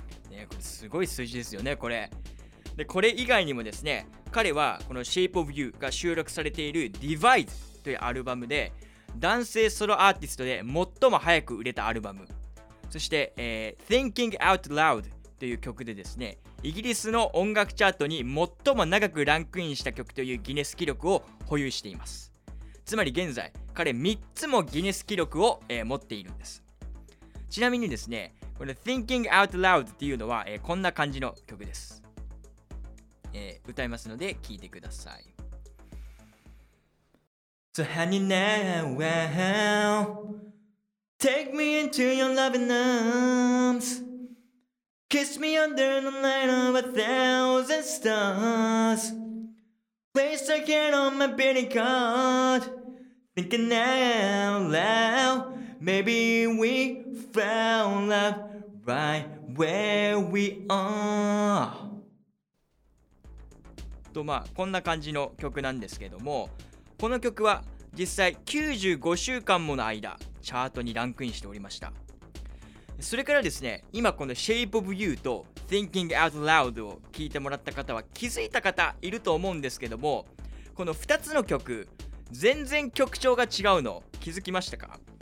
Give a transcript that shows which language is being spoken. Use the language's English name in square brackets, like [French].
[Japanese] ね、これすごい数字ですよね、これ。で、これ以外にもですね、彼はこの Shape of You が収録されている Divide というアルバムで男性ソロアーティストで最も早く売れたアルバム、そして、Thinking Out Loud という曲でですね、イギリスの音楽チャートに最も長くランクインした曲というギネス記録を保有しています。つまり現在彼3つもギネス記録を、持っているんです。ちなみにですね、この Thinking Out Loud っていうのは、こんな感じの曲です。歌いますので聴いてください。 [English] So honey now, well, take me into your loving arms, kiss me under the light of a thousand stars, place your hand on my beating heart, thinking out loud, maybe we found love right where we are. [Japanese] とまあこんな感じの曲なんですけども、この曲は実際95週間もの間チャートにランクインしておりました。それからですね、今この Shape of You と Thinking Out Loud を聞いてもらった方は気づいた方いると思うんですけども、この2つの曲全然曲調が違うの気づきましたか？